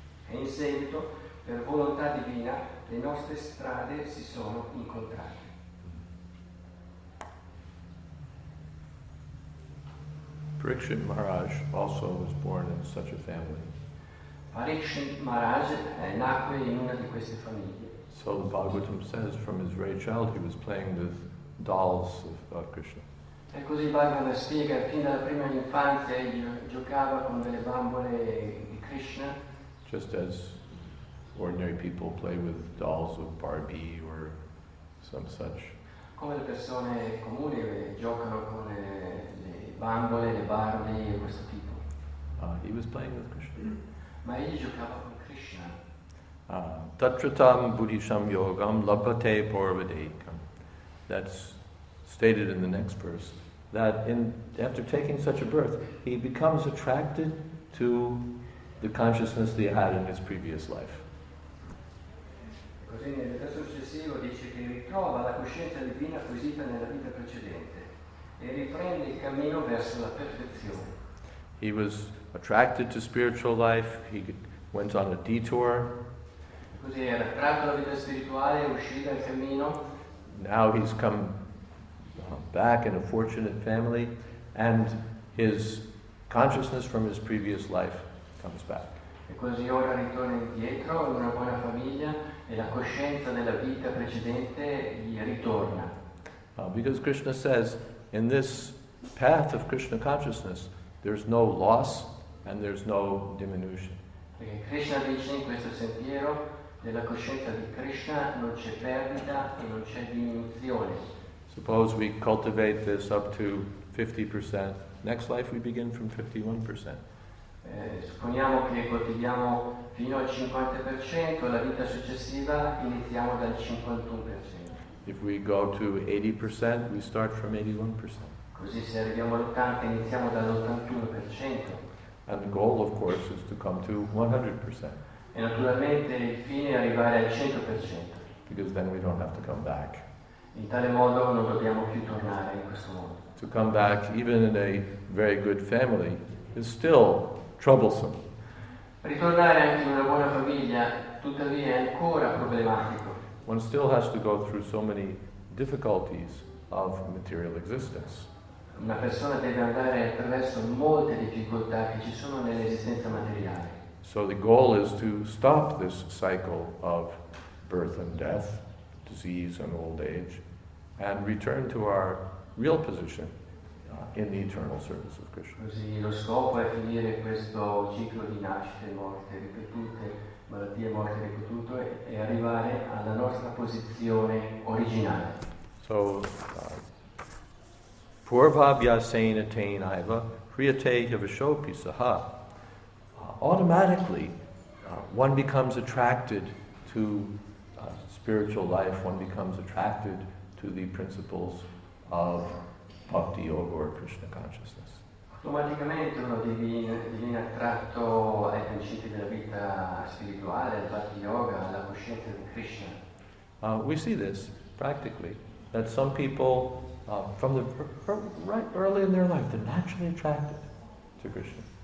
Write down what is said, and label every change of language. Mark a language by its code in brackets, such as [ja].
[it] E in seguito, per volontà divina, le nostre strade si sono incontrate. [en] Parikshit Maharaj also was born in such a family. [it] Parikshit Maharaj nacque in una di queste famiglie. [en] So the Bhagavatam says from his very child he was playing with dolls of Krishna. [it] E così Bhagavatam spiega fin dalla prima infanzia giocava con delle bambole di Krishna. [en] Just as ordinary people play with dolls of Barbie or some such. [it] Come le persone comuni giocano con le bambole, le Barbie e questo tipo. [en] He was playing with Krishna. [it] Ma egli giocava con Krishna. [sa] Tatratam buddhisham yogam labhate porvadekam. [en] That's stated in the next verse. That in after taking such a birth, he becomes attracted to the consciousness that he had in his previous life. [it] Così nel verso successivo dice che ritrova la coscienza divina acquisita nella vita precedente e riprende il cammino verso la perfezione. [en] He was attracted to spiritual life. He went on a detour. [it] Così era attratto alla vita spirituale e uscì dal cammino. [en] Now he's come back in a fortunate family, and his consciousness from his previous life comes back. [it] E così ora ritorna indietro in una buona famiglia e la coscienza della vita precedente gli ritorna. [en] Because Krishna says, in this path of Krishna consciousness, there's no loss and there's no diminution. [it] Perché Krishna dice in questo sentiero della coscienza di Krishna non c'è perdita e non c'è diminuzione. [en] Suppose we cultivate this up to 50%. Next life we begin from 51%. [it] Supponiamo che coltiviamo fino al 50%, la vita successiva iniziamo dal 51%. [en] If we go to 80%, we start from 81%. [it] Così se arriviamo all'80%, iniziamo dall'81%. [en] And the goal, of course, is to come to 100%. [it] E naturalmente il fine è arrivare al 100%. [en] Because then we don't have to come back. [it] In tale modo non dobbiamo più tornare in questo modo. [en] To come back, even in a very good family, is still troublesome. [it] Ritornare anche in una buona famiglia, tuttavia, è ancora problematico. [en] One still has to go through so many difficulties of material existence. [it] Una persona deve andare attraverso molte difficoltà che ci sono nell'esistenza materiale. [en] So the goal is to stop this cycle of birth and death, disease and old age, and return to our real position in the eternal service of Krishna. [it] Così lo scopo è finire questo ciclo di nascite, morte ripetute, malattie, morte ripetute, e arrivare alla nostra posizione originale. [sa] So, purvabhyasena tenaiva priyate yavashopi saha. [en] Automatically, one becomes attracted to spiritual life, one becomes attracted to the principles of bhakti yoga or Krishna consciousness. [it] Automaticamente uno diviene attratto ai principi della vita spirituale, al bhakti yoga, alla coscienza di Krishna. [en] We see this practically, that some people from the right early in their life, they're naturally attracted to Krishna.